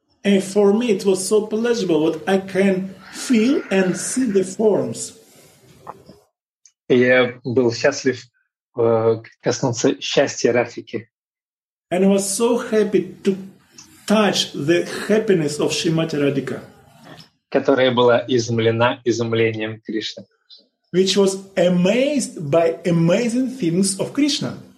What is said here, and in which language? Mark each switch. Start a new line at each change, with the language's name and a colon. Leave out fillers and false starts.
English: And for me it was so pleasurable what I can feel and see the forms.
Russian: Я был счастлив коснуться счастья Рафики.
English: And I was so happy to touch the happiness of Shrimati Radhika,
Russian: которая была изумлена изумлением Кришны.
English: Which was amazed by amazing things of Krishna.